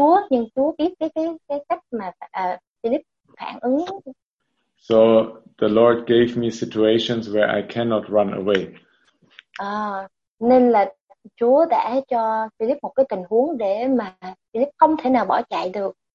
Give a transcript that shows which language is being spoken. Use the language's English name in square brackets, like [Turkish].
[Vietnamese] Nhưng Chúa biết cái cách mà Philip phản ứng. [English] So the Lord gave me situations where I cannot run away. [Vietnamese] Nên là Chúa đã cho Philip một cái tình huống để mà Philip không thể nào bỏ chạy được.